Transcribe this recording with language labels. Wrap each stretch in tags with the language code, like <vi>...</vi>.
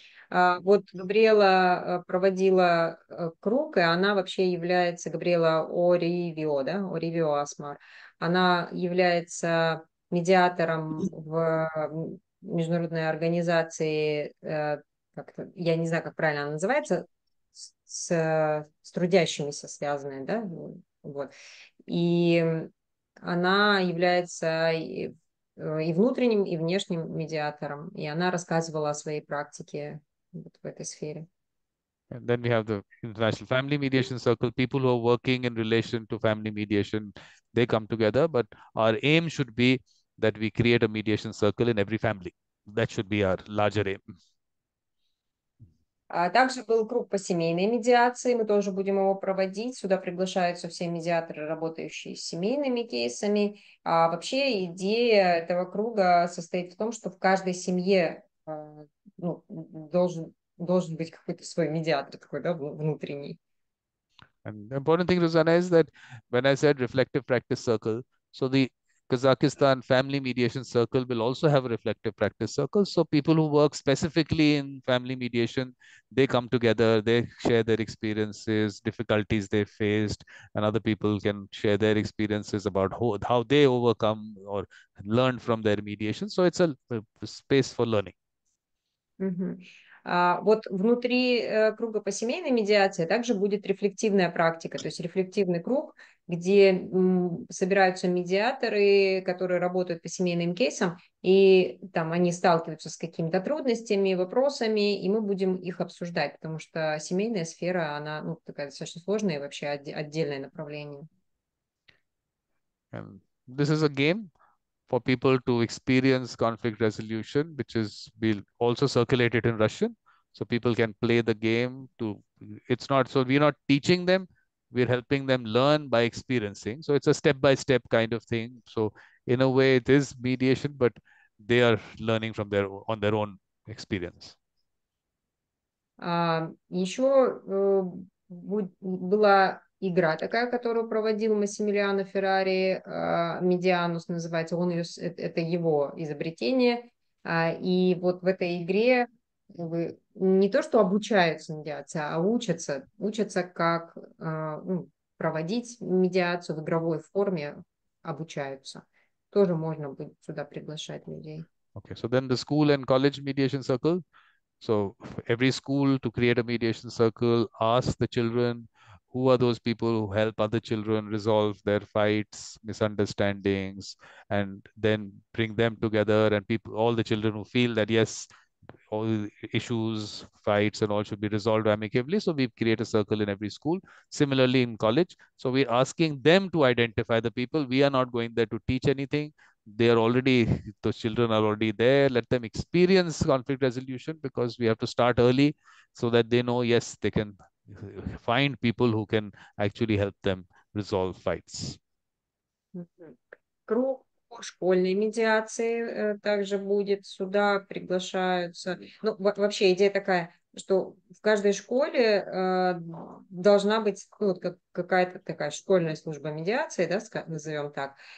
<ru>Вот Габриэла проводила круг, и она вообще является Габриэла Оривио, да, Оривио Асмар. Она является медиатором в международной организации, как-то, я не знаю, как правильно она называется, с трудящимися связанной, да, вот. И она является и внутренним, и внешним медиатором. И она рассказывала о своей практике вот в этой сфере.</ru> <en>And then we have the International Family Mediation Circle. People who are working in relation to family mediation, they come together. But our aim should be that we create a mediation circle in every family. That should be our larger aim.</en> <ru>Также был круг по семейной медиации, мы тоже будем его проводить. Сюда приглашаются все медиаторы, работающие с семейными кейсами. А вообще идея этого круга состоит в том, что в каждой семье ну, должен быть какой-то свой медиатор такой, да, внутренний.</ru> <en>And the important thing to realize that when I said reflective practice circle, so the Kazakhstan family mediation circle will also have a reflective practice circle. So people who work specifically in family mediation, they come together, they share their experiences, difficulties they faced, and other people can share their experiences about how they overcome or learn from their mediation. So it's a space for learning.</en> <ru>Вот внутри круга по семейной медиации также будет рефлективная практика, то есть рефлективный круг, где собираются медиаторы, которые работают по семейным кейсам, и там они сталкиваются с какими-то трудностями, вопросами, и мы будем их обсуждать, потому что семейная сфера, она ну, такая достаточно сложная и вообще отдельное направление.</ru> <en>And this is a game for people to experience conflict resolution, which is we'll also circulate it in Russian, so people can play the game to it's not so we're not teaching them, we're helping them learn by experiencing. So it's a step-by-step kind of thing. So in a way, it is mediation, but they are learning from their on their own experience.</en> <ru>Еще была игра такая, которую проводил Массимилиано Феррари, Медианус называется, он ее, это его изобретение. И вот в этой игре не то, что обучаются медиации, а учатся, как проводить медиацию в игровой форме, обучаются. Тоже можно будет сюда приглашать людей.</ru> <en>Okay, so then the school and college mediation circle. So every school to create a mediation circle, ask the children who are those people who help other children resolve their fights, misunderstandings, and then bring them together and people, all the children who feel that yes, all issues, fights, and all should be resolved amicably. So we create a circle in every school. Similarly in college. So we're asking them to identify the people. We are not going there to teach anything. They are already, those children are already there. Let them experience conflict resolution because we have to start early so that they know, yes, they can find people who can actually help them resolve fights.</en> <ru>Круг школьной медиации также будет, сюда приглашаются. Ну, вообще идея такая, что в каждой школе должна быть ну, какая-то такая школьная служба медиации, да, назовем так.</ru>